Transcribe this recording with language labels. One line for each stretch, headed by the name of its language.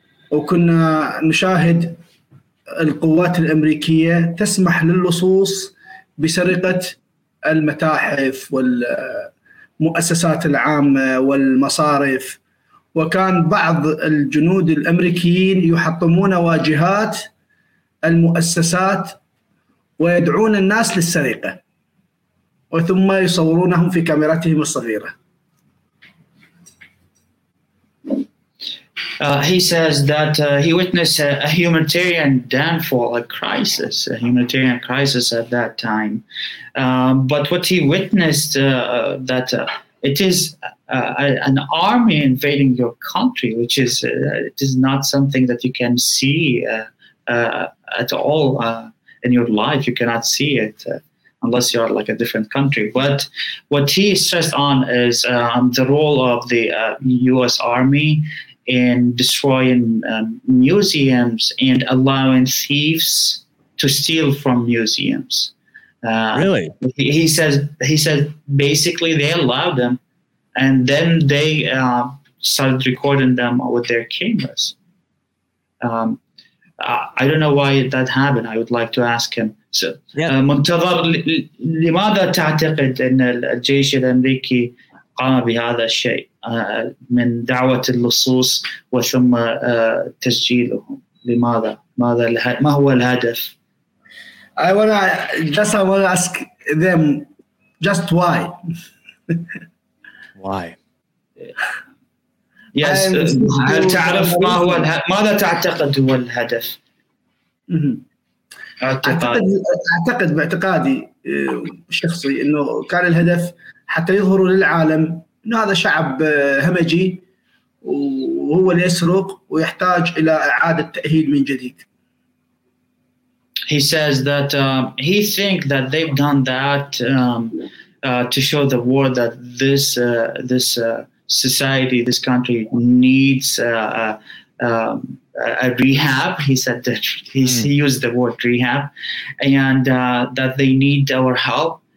Arabic: وكنا نشاهد القوات الأمريكية تسمح للصوص بسرقة المتاحف والمؤسسات العامة والمصارف، وكان بعض الجنود الأمريكيين يحطمون واجهات المؤسسات ويدعون الناس للسرقة وثم يصورونهم في كاميراتهم الصغيرة.
English: He says that he witnessed a humanitarian downfall, a humanitarian crisis at that time. But what he witnessed that it is an army invading your country, which is it is not something that you can see at all in your life. You cannot see it unless you are like a different country. But what he stressed on is the role of the U.S. Army in destroying museums and allowing thieves to steal from museums. Really? He said basically they allowed them, and then they started recording them with their cameras. I don't know why that happened. I would like to ask him.
Arabic: So, Muntadhar, لماذا تعتقد أن الجيش الأمريكي قام بهذا الشيء من دعوة اللصوص وثم تسجيلهم؟ لماذا؟ ما هو الهدف؟
English: I want to ask them just why. Why? Yes.
Arabic: هل تعرف ما هو ماذا تعتقد هو الهدف؟ أعتقد باعتقادي الشخصي إنه كان الهدف حتى يظهروا للعالم إنه هذا شعب همجي وهو اللي يسرق ويحتاج إلى إعادة تأهيل من جديد.
English: He says that he thinks that they've done that to show the world that this society, this country needs a rehab. He said that he used the word rehab, and that they need our help.